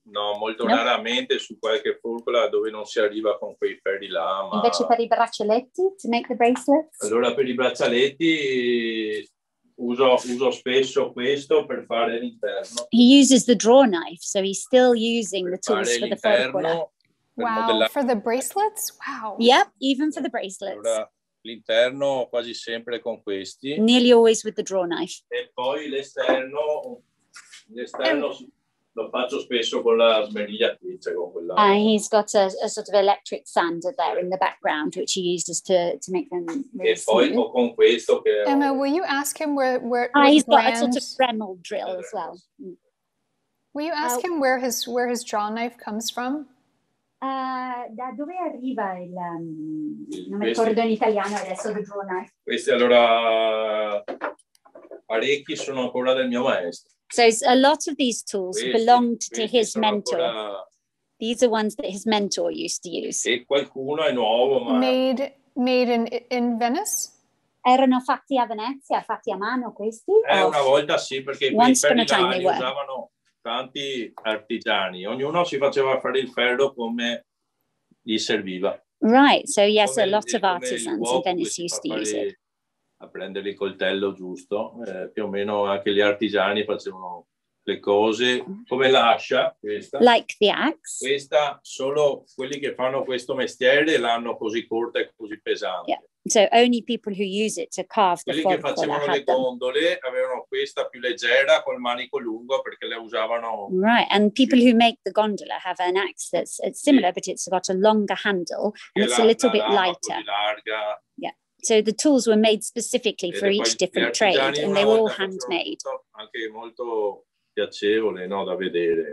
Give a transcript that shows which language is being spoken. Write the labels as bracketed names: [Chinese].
[Italian] No, molto raramente su qualche furcola dove non si arriva con quei ferri là. Ma... Invece per i braccialetti, [English] to make the bracelets? [Italian] Allora per i braccialetti uso spesso questo per fare l'interno. [English] He uses the draw knife, so he's still using the tools for the furcola. Wow, [Italian] modellare. [English] For the bracelets? Wow. Yep, even for the bracelets. [Italian] Allora, l'interno quasi sempre con questi. [English] Nearly always with the draw knife. [Italian] E poi l'esterno lo faccio spesso con la smerigliatrice, con quella. [English] He's got a sort of electric sander there in the background, which he uses to make them. [Italian] E poi ho con questo che. [English] Emma, will you ask him where? He's got a sort of Dremel drill as well. Will you ask him where his draw knife comes from? [Italian] Da dove arriva il non mi ricordo in italiano adesso [English] the draw knife. [Italian] Questi allora parecchi sono ancora del mio maestro. [English] So a lot of these tools belonged to his mentor. [Italian] Ancora... [English] These are ones that his mentor used to use. [Italian] E qualcuno è nuovo, ma [English] made in Venice? [Italian] Erano fatti a Venezia, fatti a mano questi? Una volta sì, perché [English] once [Italian] quei ferri li usavano tanti artigiani, ognuno si faceva fare il ferro come gli serviva. [English] Right, so yes, come a lot of artisans in Venice used to use it. [Italian] A prendere il coltello giusto, più o meno anche gli artigiani facevano le cose, come l'ascia, questa. [English] Like the axe. [Italian] Questa, solo quelli che fanno questo mestiere l'hanno così corta e così pesante. [English] Yeah. So only people who use it to carve the [Italian] quelli che facevano le gondole avevano questa più leggera col manico lungo perché le usavano. [English] Right, and people who make the gondola have an axe that's it's similar, yeah. but it's got a longer handle and it's a little bit lighter. [Italian] Larga. [English] Yeah. So the tools were made specifically for each different trade, and they were all handmade. [Italian] Anche molto piacevole, no, da vedere.